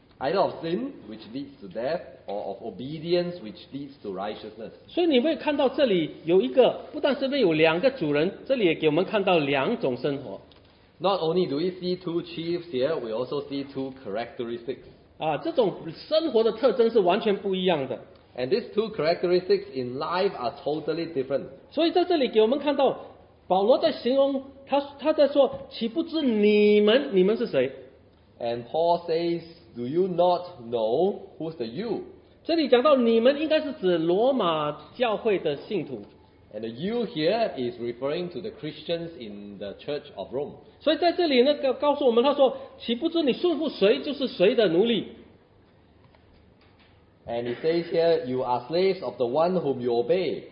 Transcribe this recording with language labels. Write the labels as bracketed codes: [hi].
[en] Either of sin, which leads to death, or of obedience, which leads to righteousness. [zh] 所以你会看到这里有一个，不但是有两个主人，这里也给我们看到两种生活。 [en] Not only do we see two chiefs here, we also see two characteristics. [zh] 啊，这种生活的特征是完全不一样的。 [en] And these two characteristics in life are totally different. [zh] 所以在这里给我们看到，保罗在形容他在说，岂不知你们是谁？ [en] And Paul says, "Do you not know who's the you?" [zh] 这里讲到你们应该是指罗马教会的信徒。 [en] And the you here is referring to the Christians in the Church of Rome. [zh] 所以在这里呢，告诉我们，他说，岂不知你顺服谁就是谁的奴隶。 [en] And he says here, "You are slaves of the one whom you obey."